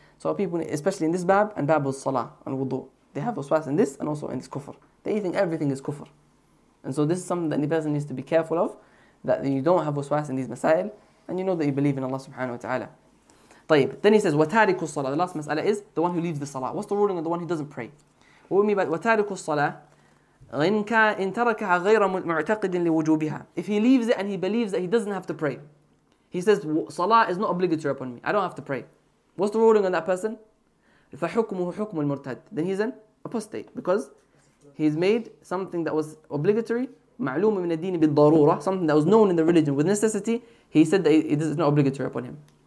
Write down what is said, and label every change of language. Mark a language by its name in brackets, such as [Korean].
[English] So people, especially in this bab, and bab al-salah, and wudu, they have waswas in this and also in this kufr. They think everything is kufr. And so this is something that the person needs to be careful of, that you don't have waswas in these masail, and you know that you believe in Allah subhanahu wa ta'ala. طيب. Then he says, [Arabic] وَتَارِكُ الصَّلَاةِ. [English] The last mas'ala is the one who leaves the salah. What's the ruling of the one who doesn't pray? What we mean by [Arabic] وَتَارِكُ الصَّلَاةِ إِن تَرَكَهَا غَيْرَ مُعْتَقِدٍ لِوُجُوبِهَا. [English] If he leaves it and he believes that he doesn't have to pray, he says, salah is not obligatory upon me, I don't have to pray. What's the ruling on that person? [Arabic] فَحُكْمُهُ حُكْمُ الْمُرْتَدِ. [English] Then he's an apostate, because he's made something that was obligatory, [Arabic] معلوم من الدين بالضرورة, [English] something that was known in the religion with necessity, he said that it is not obligatory upon him.